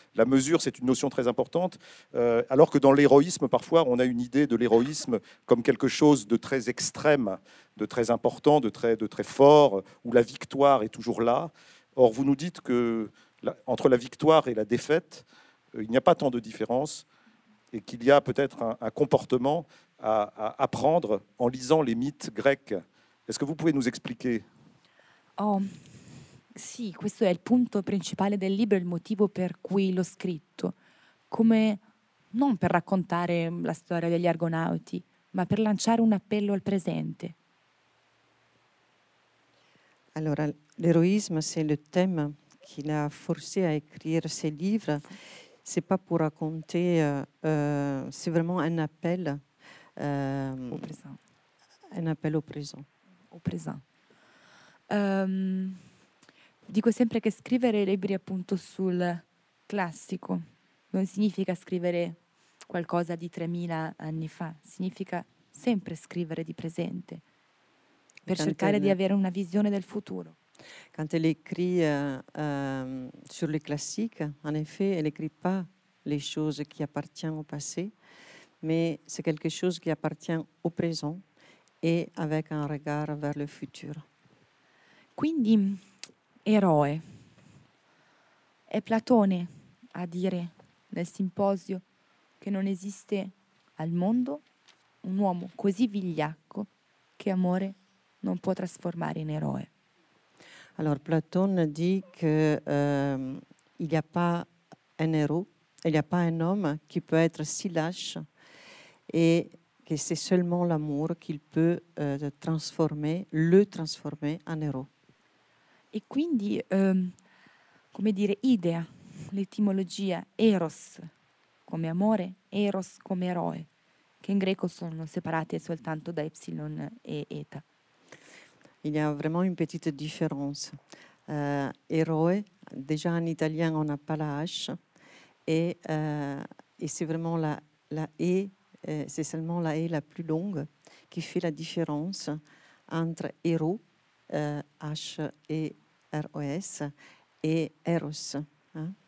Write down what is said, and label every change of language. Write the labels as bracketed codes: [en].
[fr] La mesure, c'est une notion très importante, alors que dans l'héroïsme, parfois, on a une idée de l'héroïsme comme quelque chose de très extrême, de très important, de très fort, où la victoire est toujours là. Or, vous nous dites que entre la victoire et la défaite, il n'y a pas tant de différence, et qu'il y a peut-être un comportement à apprendre en lisant les mythes grecs. Est-ce que vous pouvez nous expliquer? [it] Oh, sì, questo è il punto principale del libro, il motivo per cui l'ho scritto. Come non per raccontare la storia degli Argonauti, ma per lanciare un appello al presente. [fr] Alors, l'héroïsme, c'est le thème qui l'a forcé à écrire ses livres. Ce n'est pas pour raconter, c'est vraiment un appel. Au présent. Un appel au présent. Au présent. [it] Dico sempre che scrivere libri appunto sul classico non significa scrivere qualcosa di 3000 anni fa, significa sempre scrivere di presente per cercare di avere una visione del futuro. [fr] Quand elle écrit sur le classique, en effet, elle n'écrit pas les choses qui appartiennent au passé, mais c'est quelque chose qui appartient au présent et avec un regard vers le futur. [it] Quindi, eroe, è Platone a dire nel simposio che non esiste al mondo un uomo così vigliacco che amore non può trasformare in eroe. [fr] Alors Platone dit qu'il n'y a pas un héros, il n'y a pas un homme qui peut être si lâche et que c'est seulement l'amour qu'il peut transformer, le transformer en héros. [it] E quindi, come dire, idea, l'etimologia, eros come amore, eros come eroe, che in greco sono separate soltanto da epsilon e eta. [fr] Il y a vraiment une petite différence. Héroe, déjà en italien, on n'a pas la H. Et c'est vraiment la E, c'est seulement la E la plus longue qui fait la différence entre héros, H et R-O-S, et Eros. Hein?